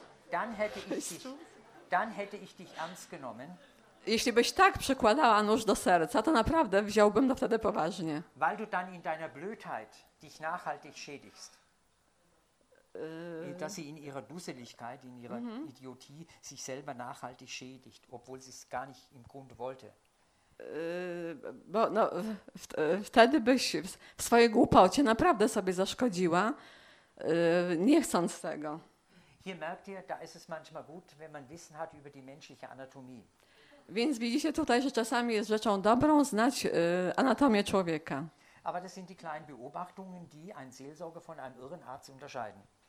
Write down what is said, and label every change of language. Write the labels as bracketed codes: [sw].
[de] Dann hätte ich dich ernst genommen. [pl] Jeśli byś tak przekładała nóż do serca, to naprawdę wziąłbym to wtedy poważnie. [de] Weil du dann in deiner Blödheit dich nachhaltig schädigst. Dass sie in ihrer Dusseligkeit, in ihrer Idiotie sich selber nachhaltig schädigt, obwohl sie es gar nicht im Grunde wollte. [pl] Bo, no, wtedy byś w swojej głupocie naprawdę sobie zaszkodziła, nie chcąc tego. [de] Hier merkt ihr, da ist es manchmal gut, wenn man Wissen hat über die menschliche Anatomie. [pl] Więc widzicie tutaj, że czasami jest rzeczą dobrą znać anatomię człowieka. [de] Aber das sind die kleinen Beobachtungen, die ein Seelsorger von einem irren Arzt unterscheiden.